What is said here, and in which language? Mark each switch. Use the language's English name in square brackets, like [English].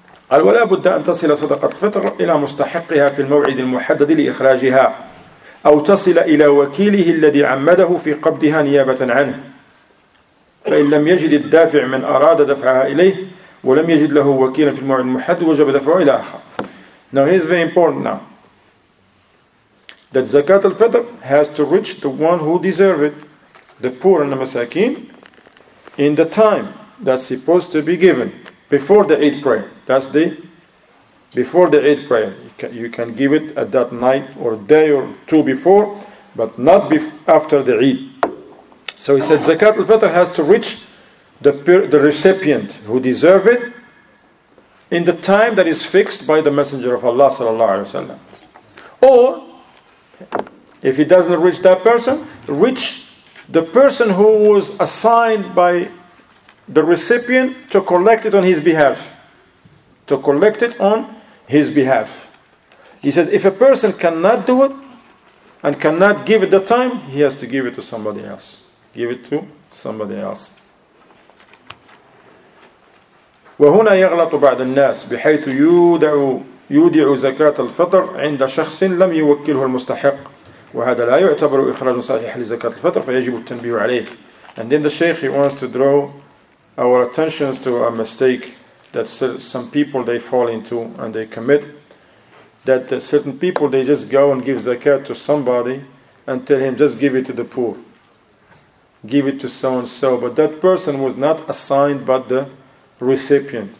[Arabic] قال ولا بد أن تصل صدقة الفطر إلى مستحقها في الموعد المحدد لإخراجها أو تصل إلى وكيله الذي عمده في قبضها نيابة عنه فإن لم يجد الدافع من أراد دفعها إليه ولم يجد له وكيلا في الموعد المحدد وجب دفعه إلى آخر. [English] Now here's very important now. that zakat al-fitr has to reach the one who deserves it, the poor and the masakin, in the time that's supposed to be given, before the Eid prayer. That's the, before the Eid prayer. You can give it at that night or day or two before, but not after the Eid. So he said zakat al-fitr has to reach the recipient who deserves it in the time that is fixed by the Messenger of Allah sallallahu alaihi wasallam. Or, if he doesn't reach that person, reach the person who was assigned by the recipient to collect it on his behalf. To collect it on his behalf. He says, if a person cannot do it, and cannot give it the time, he has to give it to somebody else. Give it to somebody else. [Arabic] وهنا يغلط بعض الناس بحيث يودع زكاة الفطر عند شخص لم يوكله المستحق وهذا لا يعتبر إخراج صحيح لزكاة الفطر فيجب التنبيه عليه. [English] And then the Shaykh, he wants to draw our attention to a mistake that some people they fall into and they commit, that certain people they just go and give zakat to somebody and tell him just give it to the poor, give it to so and so, but that person was not assigned but the recipient.